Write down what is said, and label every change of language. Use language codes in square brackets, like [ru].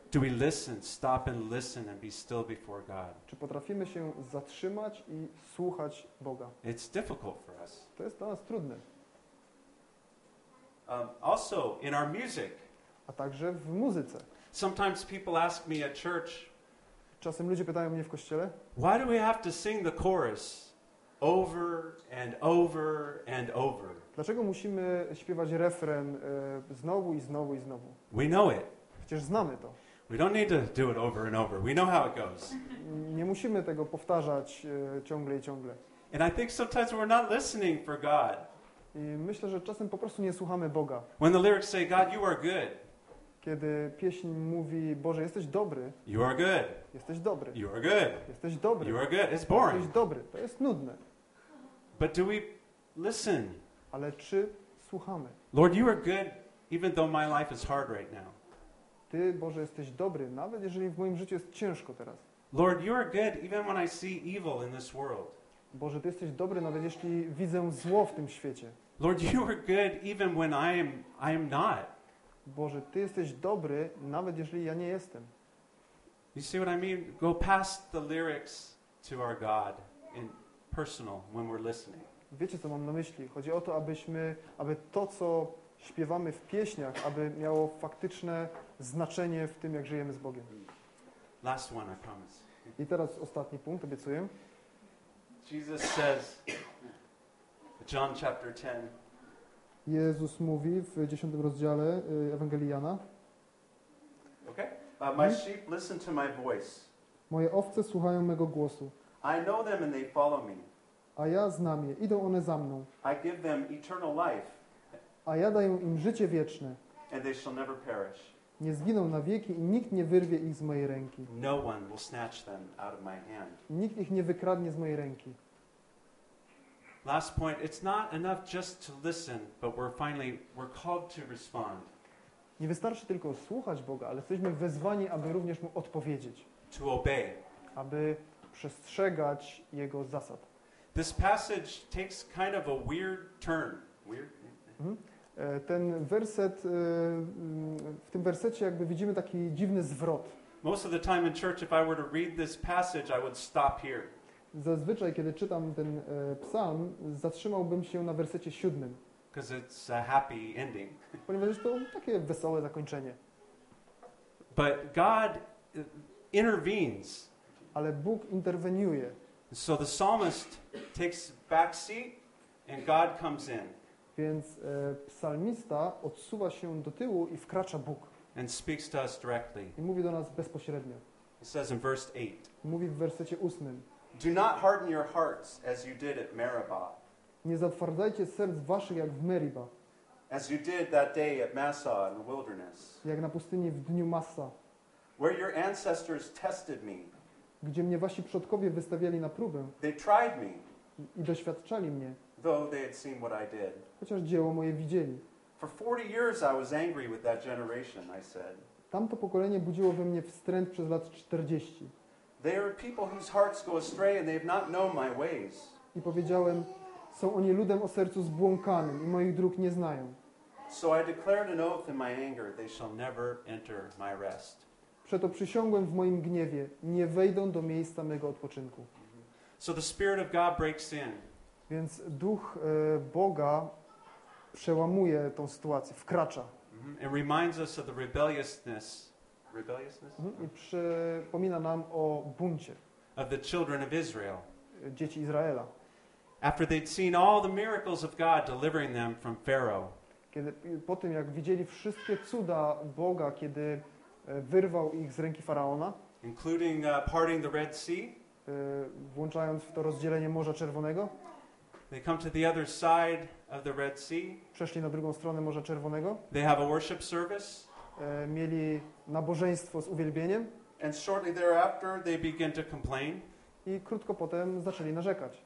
[en] Do we listen, stop and listen and be still before God? [pl] Czy potrafimy się zatrzymać i słuchać Boga? [en] It's difficult for us. [pl] To jest dla nas trudne. [en] Also in our music. [pl] A także w muzyce. [en] Sometimes people ask me at church. [pl] Czasem ludzie pytają mnie w kościele. [en] Why do we have to sing the chorus over and over and over? [pl] Dlaczego musimy śpiewać refren znowu i znowu i znowu? [en] We know it. [pl] Przecież znamy to. [en] We don't need to do it over and over. We know how it goes. [pl] Nie musimy tego powtarzać ciągle i ciągle. [en] And I think sometimes we're not listening for God. [pl] I myślę, że czasem po prostu nie słuchamy Boga. [en] When the lyrics say, God, you are good. [pl] Kiedy pieśń mówi, Boże, jesteś dobry. [en] You are good. [pl] Jesteś dobry. [en] You are good. [pl] Jesteś dobry. [en] You are good. It's boring. [pl] Jesteś dobry. To jest nudne. [en] But do we listen? [pl] Ale czy słuchamy? [en] Lord, you are good, even though my life is hard right now. [pl] Ty, Boże, jesteś dobry, nawet jeżeli w moim życiu jest ciężko teraz. [en] Lord, you are good, even when I see evil in this world. [pl] Boże, ty jesteś dobry, nawet jeśli widzę zło w tym świecie. [en] Lord, you are good, even when I am not. [pl] Boże, ty jesteś dobry, nawet jeżeli ja nie jestem. [en] You see what I mean? Go past the lyrics to our God in personal when we're listening. [pl] Wiecie, co mam na myśli? Chodzi o to, aby to, co śpiewamy w pieśniach, aby miało faktyczne znaczenie w tym, jak żyjemy z Bogiem. [en] Last one, I promise. [pl] I teraz ostatni punkt, obiecuję. [en] Jesus says, John chapter 10. [pl] Jezus mówi w 10 rozdziale Ewangelii Jana. [en] Okay. My sheep listen to my voice. [pl] Moje owce słuchają mego głosu. [en] I know them and they follow me. [pl] A ja znam je. Idą one za mną. [en] I give them eternal life. [pl] A ja daję im życie wieczne. [en] And they shall never perish. [pl] Nie zginą na wieki i nikt nie wyrwie ich z mojej ręki. [en] No one will snatch them out of my hand. [pl] Nikt ich nie wykradnie z mojej ręki. [en] Last point. It's not enough just to listen, but we're called to respond. [pl] Nie wystarczy tylko słuchać Boga, ale jesteśmy wezwani, aby również Mu odpowiedzieć. [en] To obey. [pl] Aby przestrzegać Jego zasad. [en] This passage takes kind of a weird turn. Weird? [pl] Ten werset, w tym wersecie jakby widzimy taki dziwny zwrot. [en] Most of the time in church, if I were to read this passage, I would stop here. [pl] Zazwyczaj, kiedy czytam ten psalm, zatrzymałbym się na wersecie 7. [en] Because it's a happy ending. [pl] Ponieważ jest to takie wesołe zakończenie. [en] But God intervenes. [pl] Ale Bóg interweniuje. [en] So the psalmist takes back seat and God comes in. [pl] Więc psalmista odsuwa się do tyłu i wkracza Bóg. [en] And speaks to us directly. [pl] I mówi do nas bezpośrednio. [en] He says in verse 8. [pl] Mówi w wersecie 8. [en] Do not harden your hearts as you did at Meribah. [pl] Nie zatwardzajcie serc waszych jak w Meribah. [en] As you did that day at Massah in the wilderness. [pl] Jak na pustyni w dniu Massa. [en] Where your ancestors tested me. [pl] Gdzie mnie wasi przodkowie wystawiali na próbę. [en] They tried me, [pl] i doświadczali mnie. [en] Though they had seen what I did. [pl] Chociaż dzieło moje widzieli. [en] For 40 years I was angry with that generation, I said. [pl] Tamto pokolenie budziło we mnie wstręt przez lat 40. [en] They are people whose hearts go astray and they have not known my ways. [pl] I powiedziałem, są oni ludem o sercu zbłąkanym i moich dróg nie znają. [en] So I declared an oath in my anger, they shall never enter my rest. [pl] Przeto przysiągłem w moim gniewie, nie wejdą do miejsca mego odpoczynku. [en] So the Spirit of God breaks in. [pl] Więc Duch Boga przełamuje tą sytuację, wkracza. [en] And reminds us of the rebelliousness. Rebelliousness? [pl] I przypomina nam o buncie. [en] Of the children of Israel. [pl] Dzieci Izraela. [en] After they'd seen all the miracles of God delivering them from Pharaoh. [pl] kiedy po tym jak widzieli wszystkie cuda Boga, kiedy wyrwał ich z ręki faraona, [en] including parting the Red Sea, [pl] włączając w to rozdzielenie Morza Czerwonego, [en] they come to the other side of the Red Sea, [pl] przeszli na drugą stronę Morza Czerwonego, [en] they have a worship service, [pl] mieli nabożeństwo z uwielbieniem, [en] and shortly thereafter they begin to complain, [pl] i krótko potem zaczęli narzekać,